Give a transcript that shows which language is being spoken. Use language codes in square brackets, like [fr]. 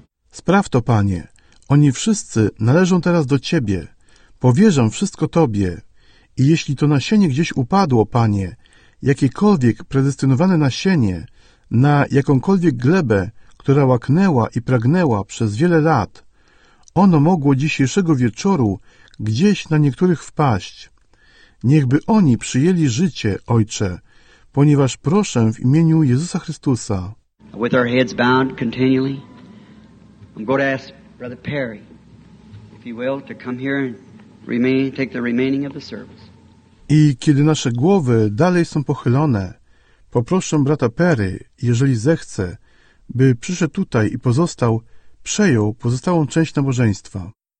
[pl] Spraw to, Panie. Oni wszyscy należą teraz do Ciebie. Powierzam wszystko Tobie. I jeśli to nasienie gdzieś upadło, Panie, jakiekolwiek predestynowane nasienie na jakąkolwiek glebę, która łaknęła i pragnęła przez wiele lat, ono mogło dzisiejszego wieczoru gdzieś na niektórych wpaść. Niechby oni przyjęli życie, Ojcze, ponieważ proszę w imieniu Jezusa Chrystusa. [en] With our heads bound continually, I'm going to ask Brother Perry, if you will, to come here and remain, take the remaining of the service. [pl] I kiedy nasze głowy dalej są pochylone, poproszę brata Perry, jeżeli zechce, by przyszedł tutaj i przejął pozostałą część nabożeństwa.